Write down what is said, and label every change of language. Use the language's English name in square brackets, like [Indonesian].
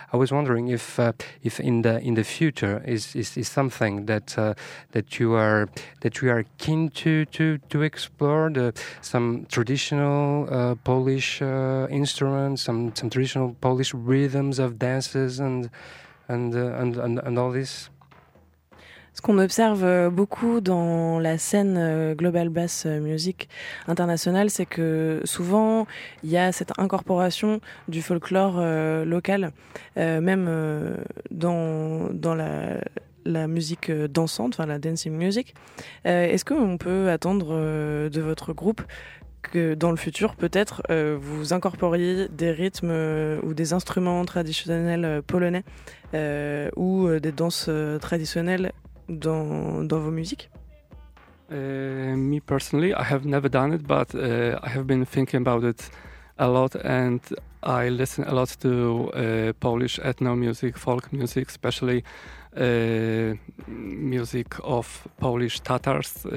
[English] I was wondering if in the future is something that you are keen to explore some traditional Polish instruments, some traditional Polish rhythms of dances and all this. [French] Ce qu'on observe beaucoup dans la scène Global Bass Music internationale, c'est que souvent il y a cette incorporation du folklore local, même dans la musique dansante, enfin la [English] dancing music. [French] Est-ce qu'on peut attendre de votre groupe que dans le futur, peut-être, vous incorporiez des rythmes ou des instruments traditionnels polonais ou des danses traditionnelles dans vos musiques? [English] Me personally, I have never done it, but I have been thinking about it a lot, and I listen a lot to Polish ethno music, folk music, especially music of Polish Tatars.